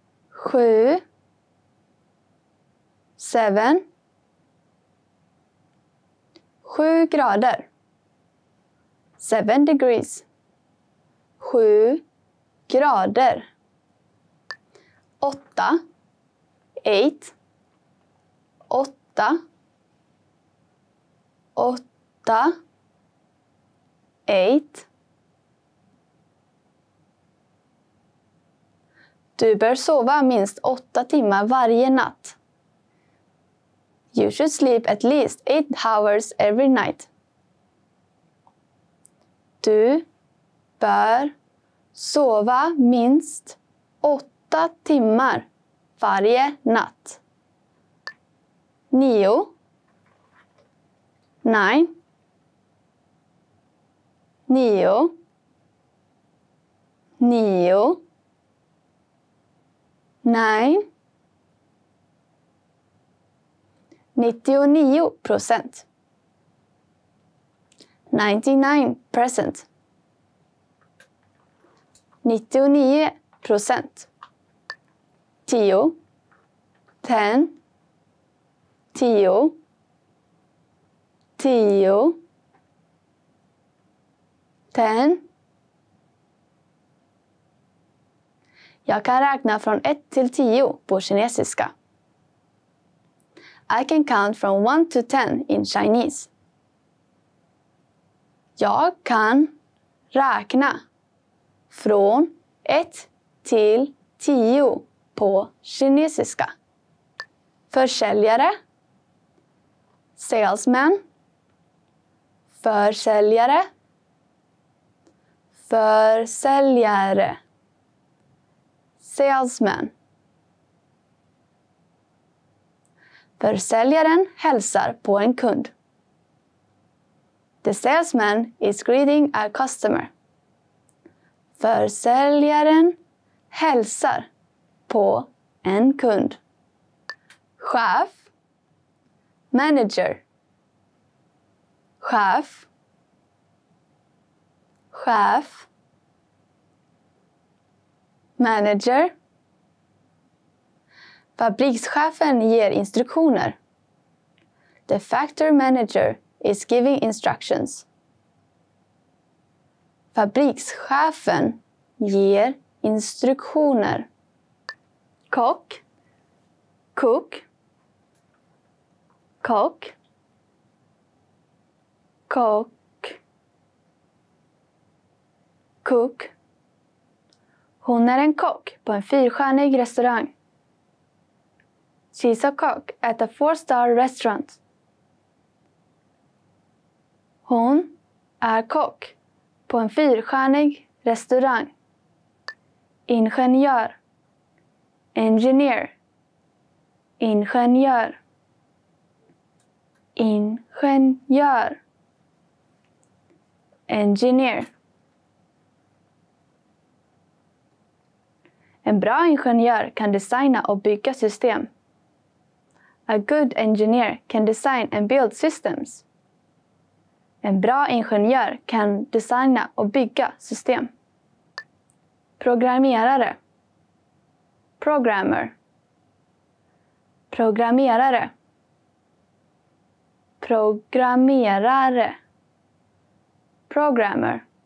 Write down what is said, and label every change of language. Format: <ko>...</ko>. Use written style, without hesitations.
<sv>sju,</sv> <en>seven,</en> <sv>sju grader,</sv> <en>7 degrees,</en> <sv>sju grader, åtta,</sv> <en>eight,</en> <sv>åtta, åtta, eight. Du bör sova minst 8 timmar varje natt.</sv> <en>You should sleep at least 8 hours every night.</en> <sv>Du bör sova minst 8 timmar varje natt. 9. 9. 9. 9. 9. 99%. 99%. 99%. 10. 10. 10. 10. 10. Jag kan räkna från 1 till 10 på kinesiska.</sv> <en>I can count from 1 to 10 in Chinese.</en> <sv>Jag kan räkna från 1 till 10 på kinesiska. Försäljare.</sv> <en>Salesman.</en> <sv>Försäljare. Försäljare.</sv> <en>Salesman.</en> <sv>Försäljaren hälsar på en kund.</sv> <en>The salesman is greeting a customer.</en> <sv>Försäljaren hälsar på en kund. Chef.</sv> <en>Manager.</en> <sv>Chef. Chef.</sv> <en>Manager.</en> <sv>Fabrikschefen ger instruktioner.</sv> <en>The factory manager is giving instructions.</en> <sv>Fabrikschefen ger instruktioner. Kock.</sv> <en>Cook.</en> <sv>Kock. Kock.</sv> <en>Cook.</en> <sv>Hon är en kock på en 4-stjärnig restaurang.</sv> <en>She's a cook at a 4-star restaurant.</en> <sv>Hon är kock på en 4-stjärnig restaurang. Ingenjör.</sv> <en>Engineer.</en> <sv>Ingenjör. Ingenjör.</sv> <en>Engineer.</en> <sv>En bra ingenjör kan designa och bygga system.</sv> <en>A good engineer can design and build systems.</en> <sv>En bra ingenjör kan designa och bygga system. Programmerare.</sv> <en>Programmer.</en> <sv>Programmerare. Programmerare.</sv> <en>Programmer.</en>